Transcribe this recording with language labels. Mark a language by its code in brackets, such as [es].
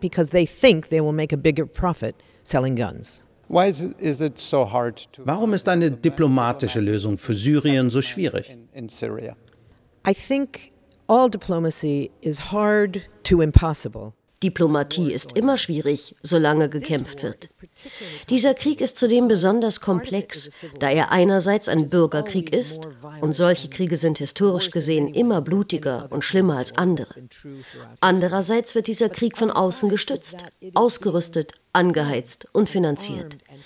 [en] Because they think they will make a bigger profit selling guns. [de] Warum ist eine diplomatische Lösung für Syrien so schwierig? [en] I think all diplomacy is hard to impossible. [de] Diplomatie ist immer schwierig, solange gekämpft wird. Dieser Krieg ist zudem besonders komplex, da er einerseits ein Bürgerkrieg ist, und solche Kriege sind historisch gesehen immer blutiger und schlimmer als andere. Andererseits wird dieser Krieg von außen gestützt, ausgerüstet, angeheizt und finanziert.